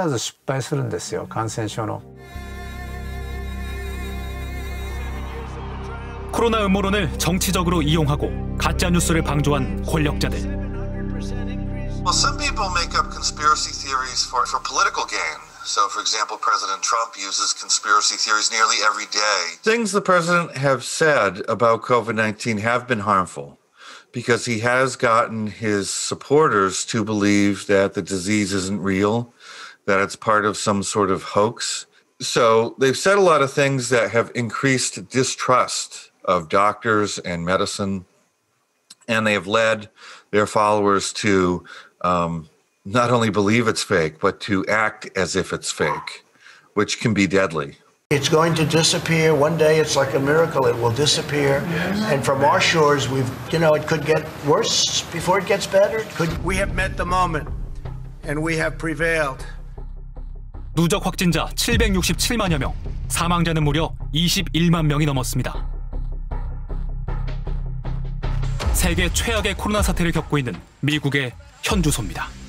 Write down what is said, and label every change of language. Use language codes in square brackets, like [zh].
[ja] 私はずっといろんなところで今の政府の政策の失敗を言ってますけども、さっき言った検査と隔離っていうことと情報公開っていうのが感染症の基本原則なんですよ。で、それをやってないんですね。で、未だやってないっていう。だからね、情報を隠匿すれば必ず失敗するんですよ、感染症の。 [ko] 코로나 음모론을 정치적으로 이용하고 가짜 뉴스를 방조한 권력자들. [en] Well, some people make up conspiracy theories for political gain. So, for example, President Trump uses conspiracy theories nearly every day. Things the president have said about COVID-19 have been harmful because he has gotten his supporters to believe that the disease isn't real, that it's part of some sort of hoax. So, they've said a lot of things that have increased distrust of doctors and medicine, and they have led their followers to not only believe it's fake, but to act as if it's fake, which can be deadly. It's going to disappear. One day it's like a miracle, it will disappear. Yes. And from our shores, we've, you know, it could get worse before it gets better. Could we have met the moment, and we have prevailed. [ko] 누적 확진자 767만여 명, 사망자는 무려 21만 명이 넘었습니다. 세계 최악의 코로나 사태를 겪고 있는 미국의 현주소입니다.